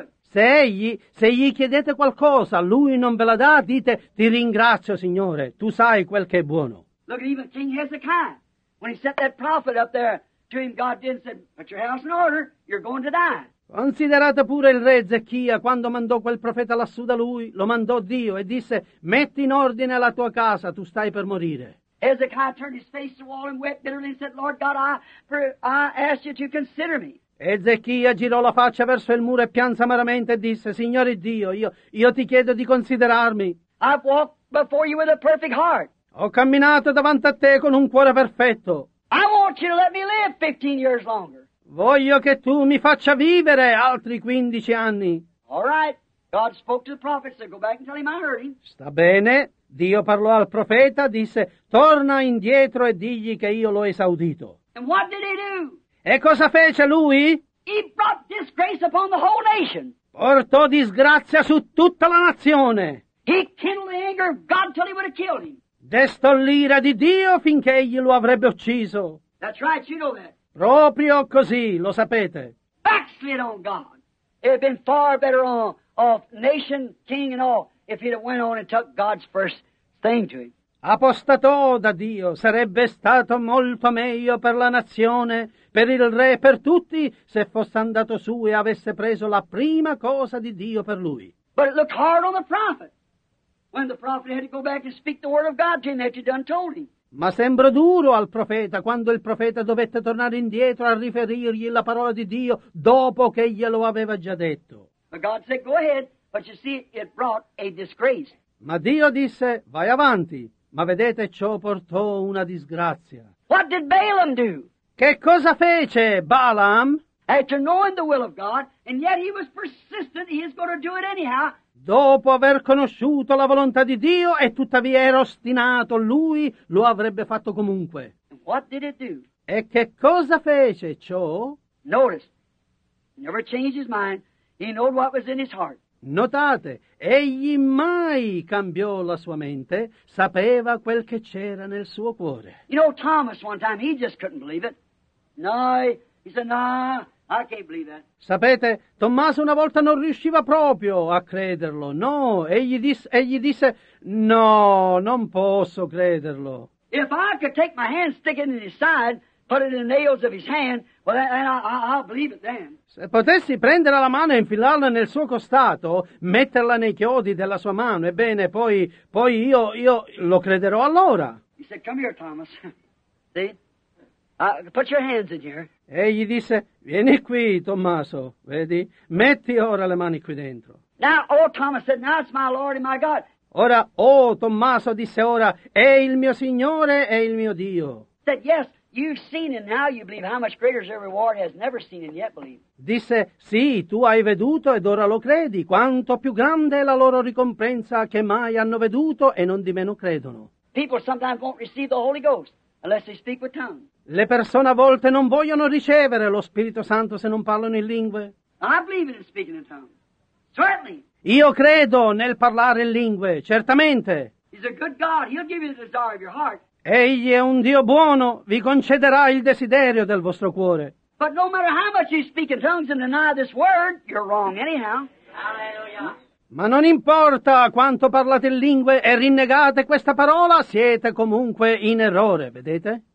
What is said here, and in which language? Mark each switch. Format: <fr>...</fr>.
<it>Se gli chiedete qualcosa, lui non ve la dà, dite, ti ringrazio, Signore, tu sai quel che è buono.</it> <en>Look at even King Hezekiah, when he set that prophet up there to him, God didn't say, put your house in order, you're going to die.</en> <it>Considerate pure il re Ezechia quando mandò quel profeta lassù da lui, lo mandò Dio e disse, metti in ordine la tua casa, tu stai per morire.</it> <en>Ezekiah turned his face to the wall and wept bitterly and said, Lord God, I ask you to consider me.</en> <it>Ezechia girò la faccia verso il muro e pianse amaramente e disse, Signore Dio, io ti chiedo di considerarmi.</it> <en>I've walked before you with a perfect heart.</en> <it>Ho camminato davanti a te con un cuore perfetto.</it> <en>I want you to let me live 15 years longer.</en> <it>Voglio che tu mi faccia vivere altri 15 anni.</it> <en>All right. God spoke to the prophet, so go back and tell him I heard him.</en> <it>Sta bene. Dio parlò al profeta, disse, torna indietro e digli che io l'ho esaudito.</it> <en>And what did he do?</en> <it>E cosa fece lui?</it> <en>He brought disgrace upon the whole nation.</en> <it>Portò disgrazia su tutta la nazione.</it> <en>He kindled the anger of God till he would have killed him.</en> <it>Destò l'ira di Dio finché egli lo avrebbe ucciso.</it> <en>That's right, you know that.</en> <it>Proprio così, lo sapete.</it> <en>Backslid on God. It had been far better of nation, king and all, if he'd have went on and took God's first thing to him.</en> <it>Apostatò da Dio, sarebbe stato molto meglio per la nazione, per il re e per tutti, se fosse andato su e avesse preso la prima cosa di Dio per lui.</it> <en>But it looked hard on the prophet, when the prophet had to go back and speak the word of God to him that he done told him.</en> <it>Ma sembra duro al profeta quando il profeta dovette tornare indietro a riferirgli la parola di Dio dopo che glielo aveva già detto.</it> <en>But God said, go ahead, but you see, it brought a disgrace.</en> <it>Ma Dio disse, vai avanti, ma vedete, ciò portò una disgrazia.</it> <en>What did Balaam do?</en> <it>Che cosa fece Balaam?</it> <en>After knowing the will of God, and yet he was persistent, he is going to do it anyhow.</en> <it>Dopo aver conosciuto la volontà di Dio e tuttavia era ostinato, lui lo avrebbe fatto comunque.</it> <en>And what did it do?</en> <it>E che cosa fece ciò?</it> <en>Notice, he never changed his mind. He knew what was in his heart.</en> <it>Notate, egli mai cambiò la sua mente, sapeva quel che c'era nel suo cuore.</it> <en>You know, Thomas one time, he just couldn't believe it. No, he said, no, I can't believe that.</en> <it>Sapete, Tommaso una volta non riusciva proprio a crederlo. No, egli disse, no, non posso crederlo.</it> <en>If I could take my hand, stick it in his side, put it in the nails of his hand, well, then I'll believe it then.</en> <it>Se potessi prendere la mano e infilarla nel suo costato, metterla nei chiodi della sua mano, ebbene, poi io lo crederò allora.</it> <en>He said, come here, Thomas. See? Put your hands in here.</en> <it>E gli disse, vieni qui, Tommaso, vedi? Metti ora le mani qui dentro.</it> <en>Now, oh, Thomas said, now it's my Lord and my God.</en> <it>Ora, oh, Tommaso disse ora, è il mio Signore e il mio Dio.</it> <en>Said, yes, you've seen and now you believe. How much greater is every reward has never seen and yet believed.</en> <it>Disse, sì, tu hai veduto ed ora lo credi. Quanto più grande è la loro ricompensa che mai hanno veduto e non di meno credono.</it> <en>People sometimes won't receive the Holy Ghost unless they speak with tongues.</en> <it>Le persone a volte non vogliono ricevere lo Spirito Santo se non parlano in lingue.</it> <en>I believe in speaking in tongues. Certainly.</en> <it>Io credo nel parlare in lingue, certamente.</it> <en>He's a good God. He'll give you the desire of your heart.</en> <it>Egli è un Dio buono, vi concederà il desiderio del vostro cuore.</it> <en>But no matter how much you speak in tongues and deny this word, you're wrong anyhow. Hallelujah.</en> <it>Ma non importa quanto parlate in lingue e rinnegate questa parola, siete comunque in errore, vedete?</it>